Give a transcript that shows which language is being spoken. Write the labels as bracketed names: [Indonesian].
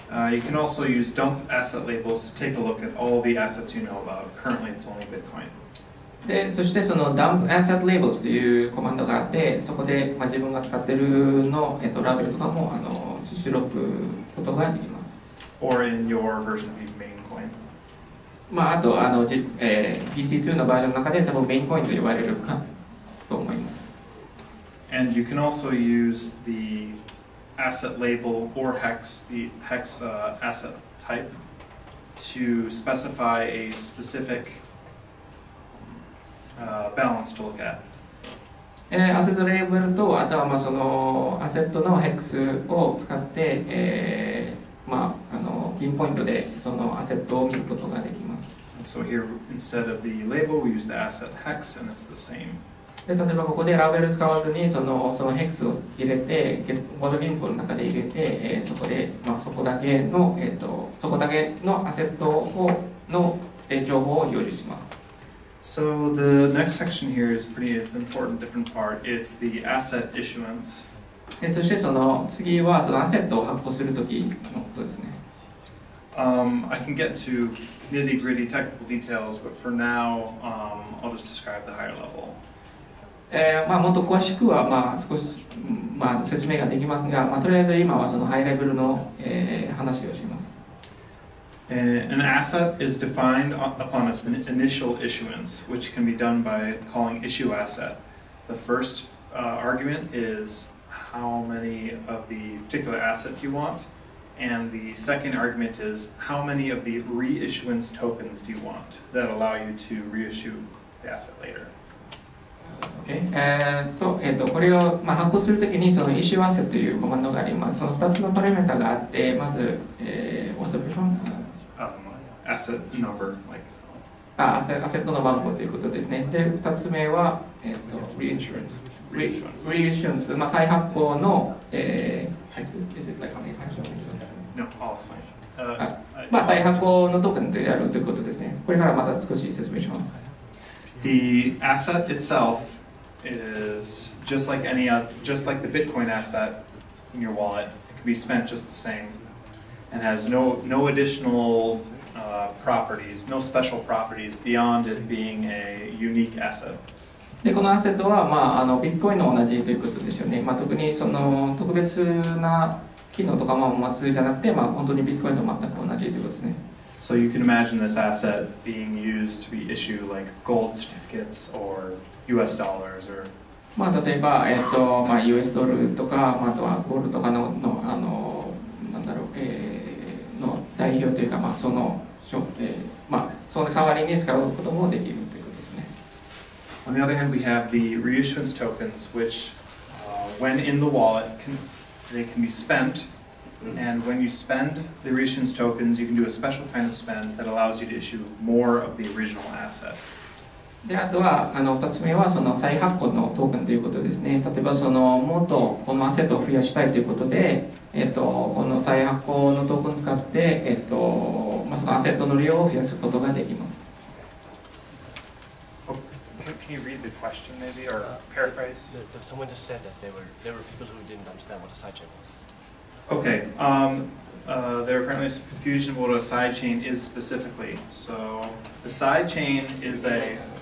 [English] You can also use dump asset labels to take a look at all the assets you know about. Currently, it's only Bitcoin. [Japanese] で、そしてその dump asset labels というコマンドがあって、そこで、まあ、自分が使ってるの、ラベルとかもあの出力ことができます。 [English] Or in your version of your main coin. [Japanese] まああとあの、BC2 のバージョンの中で多分メインコインと呼ばれるかと思います。 [English] And you can also use theAsset label or hex, the hex asset type to specify a specific balance to look at. [Japanese] アセットレーブルとあとはまあそのアセットのヘックスを使って、まあ、あのピンポイントでそのアセットを見ることができます。 [English] So here, instead of the label, we use the asset hex, and it's the same. [Japanese] で例えばここでラベル使わずにそのヘックスを入れてモドリンフォの中で入れて、そこで、まあ、そこだけの、そこだけのアセットをの、情報を表示します。 [English] So the next section here is pretty, it's an important different part. It's the asset issuance. [Japanese] そしてその次はそのアセットを発行するときのことですね。 [English] I can get to nitty gritty technical details, but for now, I'll just describe the higher level. [Japanese] まあ、もっと詳しくはまあ少し、まあ、説明ができますが、まあ、とりあえず今はそのハイレベルの、話をします。 [English] An asset is defined upon its initial issuance, which can be done by calling issue asset. The first argument is how many of the particular asset you want, and the second argument is how many of the reissuance tokens do you want that allow you to reissue the asset later. [Japanese] Okay. これを、まあ、発行するときにその issue asset というコマンドがあります。その2つのパラメータがあって、まず、 [English] what's the question? Asset number, like. [Japanese] アセットの番号ということですね。で、2つ目は、reissuance. [English] Reissuance. [Japanese] まあ、再発行の、 [English] No, I'll explain. [Japanese] まあ、再発行のトークンであるということですね。これからまた少し説明します。 [English] The asset itself is just like any other, just like the Bitcoin asset in your wallet. It can be spent just the same. And has no additional properties, no special properties beyond it being a unique asset. [Japanese] で、このアセットは、まあ、あの、ビットコインの同じということですよね。まあ、特にその特別な機能とかも持つじゃなくて、まあ、本当にビットコインと全く同じということですね。 [English] So you can imagine this asset being used to be issued like gold certificates or US dollars or. [Japanese] まあ、例えば、まあ、US ドルとか、まあ、あとはゴールドとかの、の、あの、なんだろう、の代表というか、まあ、その、まあ、その代わりに使うこともできるということですね。 [English] On the other hand, we have the reissuance tokens, which, when in the wallet, they can be spent. And when you spend the reissuance tokens, you can do a special kind of spend that allows you to issue more of the original asset. [Japanese] で、あとは、あの、二つ目は、その再発行のトークンということですね。例えば、その、もっとこのアセットを増やしたいということで、この再発行のトークンを使って、まあ、そのアセットの量を増やすことができます。 [English] Can you read the question maybe or paraphrase? Someone just said that there were people who didn't understand what a side chain was. Okay. There apparently is confusion about what a side chain is specifically. So the side chain is a.